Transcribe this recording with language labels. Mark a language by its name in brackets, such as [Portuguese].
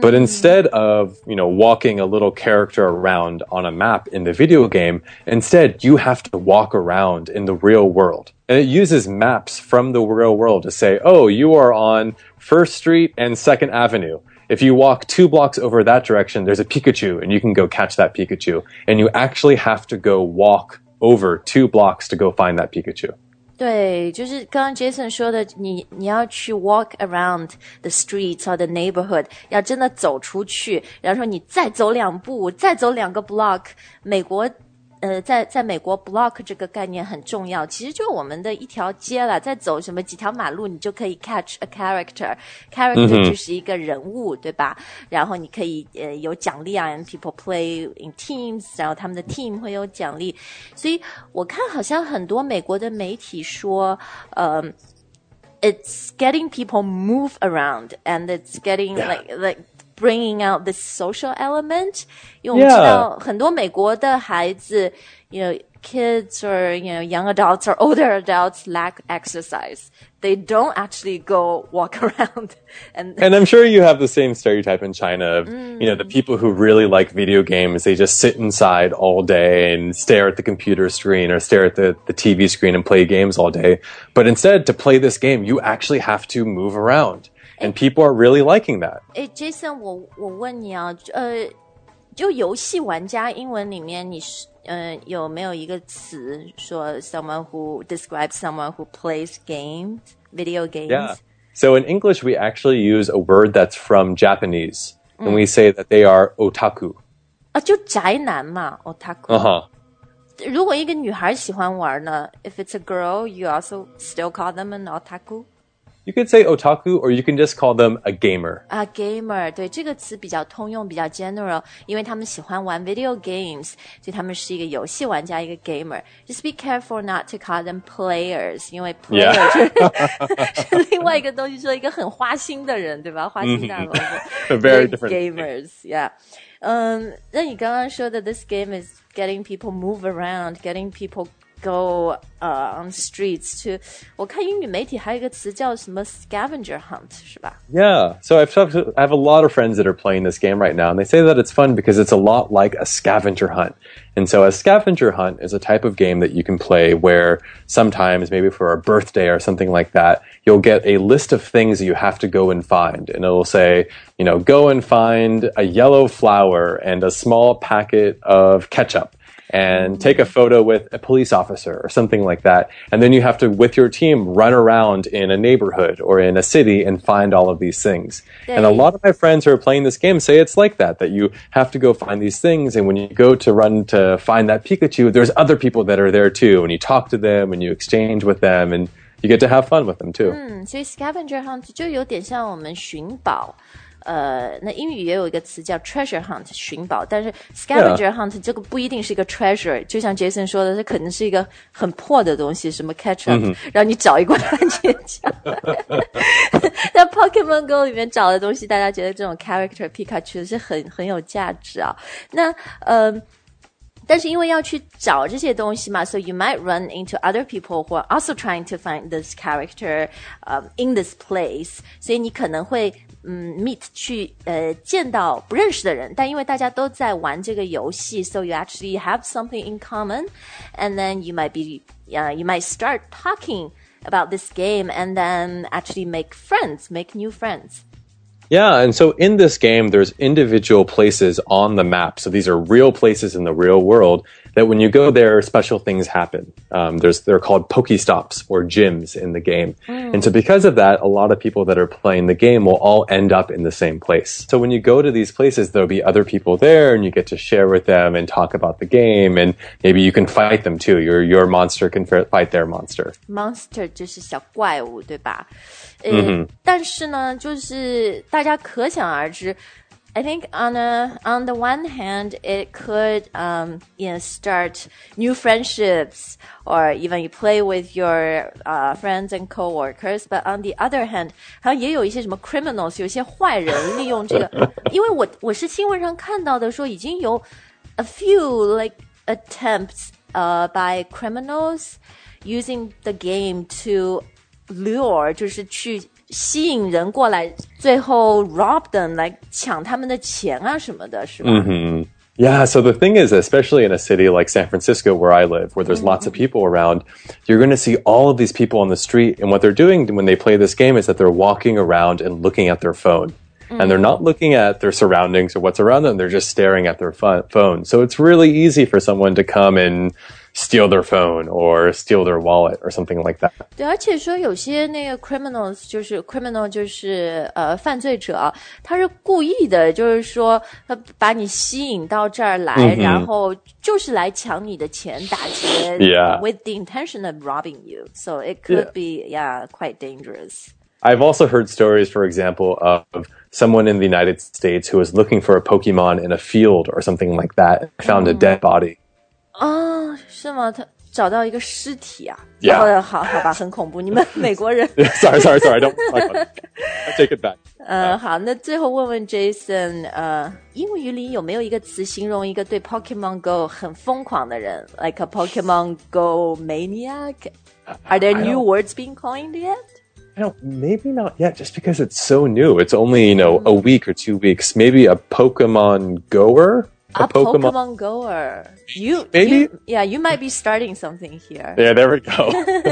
[English] But instead of, you know, walking a little character around on a map in the video game, instead you have to walk around in the real world. And it uses maps from the real world to say, oh, you are on First Street and Second Avenue. If you walk two blocks over that direction, there's a Pikachu, and you can go catch that Pikachu. And you actually have to go walk over two blocks to go find that Pikachu. [Chinese] 对，就是刚刚 Jason 说的，你要去 [English] walk around the streets or the neighborhood, [Chinese] 要真的走出去，然后说你再走两步，再走两个 block, 美国在美国 block 这个概念很重要其实就我们的一条街了再走什么几条马路你就可以 [English] catch a character character [Chinese] 就是一个人物、mm-hmm. 对吧然后你可以有奖励啊 [English] and people play in teams [Chinese] 然后他们的 team 会有奖励所以我看好像很多美国的媒体说 [English] it's getting people move around and it's getting、yeah. like bringing out the social element. [Chinese] 因为我们知道很多美国的孩子 [English] you know, kids or you know, young adults or older adults lack exercise. They don't actually go walk around. And I'm sure you have the same stereotype in China. Of, you know, the people who really like video games, they just sit inside all day and stare at the computer screen or stare at the TV screen and play games all day. But instead, to play this game, you actually have to move around. And people are really liking that. [Chinese] Hey, Jason, 我问你啊，就游戏玩家英文里面你是有没有一个词说 [English] someone who describes someone who plays games, video games? Yeah. So in English, we actually use a word that's from Japanese, and we say that they are otaku. [Chinese] 啊，就宅男嘛，otaku. Uh-huh. 如果一个女孩喜欢玩呢 [English] ，if it's a girl, you also still call them an otaku? You could say otaku, or you can just call them a gamer. [Chinese] A gamer, 对这个词比较通用，比较 general, 因为他们喜欢玩 [English] video games, [Chinese] 所以他们是一个游戏玩家，一个 gamer. [English] Just be careful not to call them players, [Chinese] 因为 [English] player、 yeah. [Chinese] 是另外一个东西，说一个很花心的人，对吧？花心大萝卜。 [English] Very different. Gamers, yeah. [Chinese] 那你刚刚说的 [English] this game is getting people move around, getting people. Go on streets to. [Chinese] 我看英语媒体还有一个词叫什么 scavenger hunt 是吧 [English] Yeah, so I have a lot of friends that are playing this game right now, and they say that it's fun because it's a lot like a scavenger hunt. And so a scavenger hunt is a type of game that you can play where sometimes, maybe for a birthday or something like that, you'll get a list of things you have to go and find, and it'll say, you know, go and find a yellow flower and a small packet of ketchup. And take a photo with a police officer or something like that. And then you have to, with your team, run around in a neighborhood or in a city and find all of these things. And a lot of my friends who are playing this game say it's like that, that you have to go find these things. And when you go to run to find that Pikachu, there's other people that are there too. And you talk to them and you exchange with them and you get to have fun with them too. [Chinese] So scavenger hunt 就有点像我们寻宝。那英语也有一个词叫 [English] treasure hunt [Chinese] 寻宝但是 scavenger hunt、 [English] yeah. [Chinese] 这个不一定是一个 treasure 就像 Jason 说的这可能是一个很破的东西什么 ketchup、 [English] mm-hmm. [Chinese] 让你找一罐番茄酱在 Pokemon Go 里面找的东西大家觉得这种 character Pikachu 是很有价值啊那 [English] 但是因为要去找这些东西嘛 so you might run into other people who are also trying to find this character、in this place [Chinese] 所以你可能会、meet 去、见到不认识的人但因为大家都在玩这个游戏 [English] so you actually have something in common and then you might be、you might start talking about this game and then actually make friends make new friends Yeah, and so in this game, there's individual places on the map. So these are real places in the real world that when you go there, special things happen. They're called Pokestops or gyms in the game. Mm. And so because of that, a lot of people that are playing the game will all end up in the same place. So when you go to these places, there'll be other people there and you get to share with them and talk about the game. And maybe you can fight them too. Your monster can fight their monster. [Chinese] Monster 就是小怪物，对吧？但是呢就是大家可想而知 [English] I think on the one hand it could start new friendships or even you play with your friends and coworkers but on the other hand [Chinese] 好像也有一些什么 criminals 有些坏人利用这个因为我是新闻上看到的说已经有 [English] a few like attempts by criminals using the game toLure [Chinese] 就是去吸引人过来最后 [English] rob them [Chinese] 来抢他们的钱啊什么的是吧、 mm-hmm. [English] Yeah, so the thing is, especially in a city like San Francisco where I live, where there's、mm-hmm. lots of people around, you're going to see all of these people on the street. And what they're doing when they play this game is that they're walking around and looking at their phone. And they're not looking at their surroundings or what's around them. They're just staring at their phone. So it's really easy for someone to come and steal their phone or steal their wallet or something like that. [Chinese] 对，而且说有些那个 criminals 就是 criminal 就是犯罪者，他是故意的，就是说他把你吸引到这儿来，然后就是来抢你的钱、打劫 [English] with the intention of robbing you. So it could be quite dangerous. I've also heard stories, for example, of someone in the United States who was looking for a Pokemon in a field or something like that, found a dead body. Oh, [Chinese] 是吗？他找到一个尸体啊？ [English] Yeah. [Chinese] 然后好好吧，很恐怖。你们美国人。 [English] sorry, I don't talk about it. I take it back. [Chinese] 好，那最后问问 Jason, 英语里有没有一个词形容一个对 Pokemon Go 很疯狂的人 ？ [English] Like a Pokemon Go maniac? Are there new words being coined yet? Maybe not yet, just because it's so new. It's only, a week or 2 weeks. Maybe a Pokemon goer? A Pokemon goer. You might be starting something here. Yeah, there we go.